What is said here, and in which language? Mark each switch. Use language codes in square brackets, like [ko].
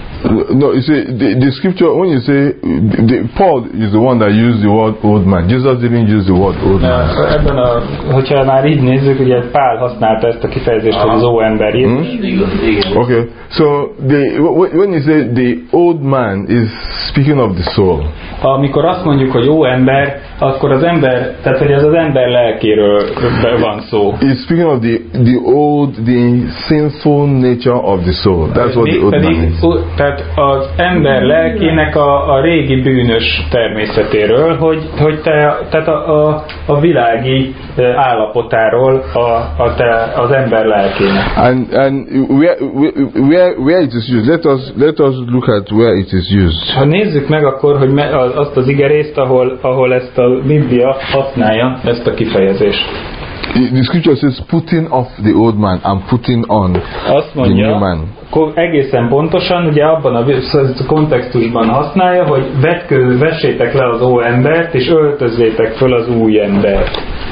[en] No, you see, the scripture, when you say, Paul is the one that used the word old man. Jesus didn't use the word old man. [hu] Ebben a, hogyha már így nézzük, ugye Pál használta ezt a kifejezést, hogy az óember. [en] Okay, so the, when you say the old man is speaking of the soul. [hu] Amikor azt mondjuk, hogy óember, akkor az ember, tehát hogy ez az ember lelkéről van szó. [en] He's speaking of the old, the sinful nature of the soul. That's what the old man is. [hu] Tehát az ember lelkének a régi bűnös természetéről, hogy te, tehát a világi állapotáról az ember lelkének. [en] And where it is used? Let us look at where it is used. [hu] Ha nézzük meg akkor, hogy azt az igerészt, ahol ezt a Biblia használja ezt a kifejezést. [en] The scripture says putting off the old man and putting on [hu] mondja, [en] the new man. [hu] Egészen pontosan, ugye abban a kontextusban használja, hogy vessétek le az óembert, és öltözzétek föl az új embert.